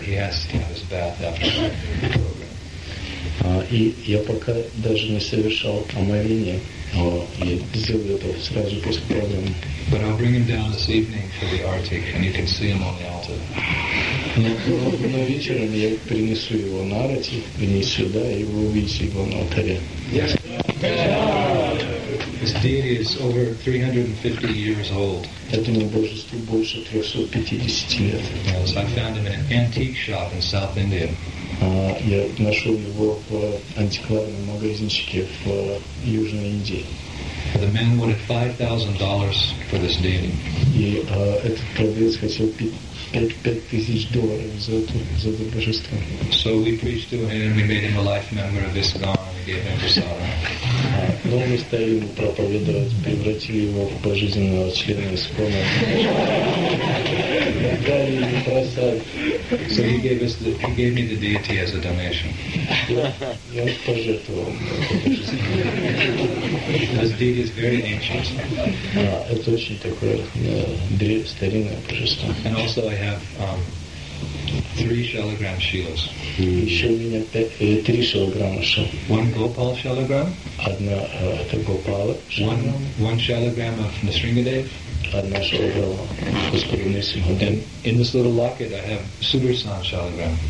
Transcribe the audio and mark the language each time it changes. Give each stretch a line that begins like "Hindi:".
English: He has to have his bath after the program.
Russian: И я пока даже не совершал омовение. Я сделаю это сразу после программы.
English: But I'll bring him down this evening for the Artic, and you can see him on the altar.
Russian: Но вечером я принесу его на арте, принесу сюда, и вы увидите его на алтаре.
English: This deity is over 350 years old.
Russian: Этому божеству больше 350 лет.
English: Yes, I found him in an antique shop in South India.
Russian: Я нашел его в антикварном магазинчике в Южной Индии.
English: The man wanted $5,000 for this deity.
Russian: И этот продавец хотел $5,000 за это божество.
English: So we preached to him, we made him a life member of ISKCON, we gave him prasadam.
Russian: Но мы стали ему проповедовать, превратили его в пожизненного члена ИСККОНа. Дали ему просад.
English: So he gave me the deity as a donation.
Russian: Я пожертвовал.
English: This deity is very ancient.
Russian: Это очень такое старинное божество.
English: And also I have three shalagram shields.
Russian: Еще у меня три шалограмма шил.
English: One Gopal shalagram.
Russian: Одна это Гопала.
English: One shalagram of Nisringadev.
Russian: Одна шалограмма Господа Нисингадева.
English: And in this little locket I have Sudarshan shalagram.